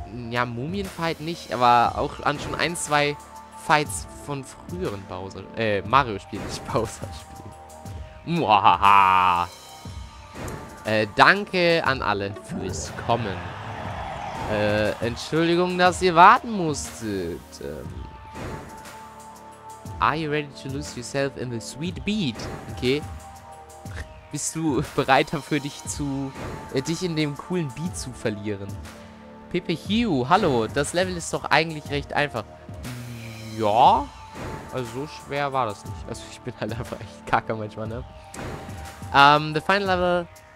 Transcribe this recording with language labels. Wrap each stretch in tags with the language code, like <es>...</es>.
<de>Ja, Mumienfight nicht, aber auch an schon ein, zwei Fights von früheren Bowser. Mario-Spielen, nicht Bowser-Spielen. Mwahaha. Danke an alle fürs Kommen. Entschuldigung, dass ihr warten musstet.</de> <en>Are you ready to lose yourself in the sweet beat? Okay.</en> <de>Bist du bereit dafür, dich in dem coolen Beat zu verlieren? Pepe Hugh, hallo. Das Level ist doch eigentlich recht einfach. Ja. Also so schwer war das nicht. Also ich bin halt einfach echt kacke manchmal, ne?</de> <en>The final level.</en>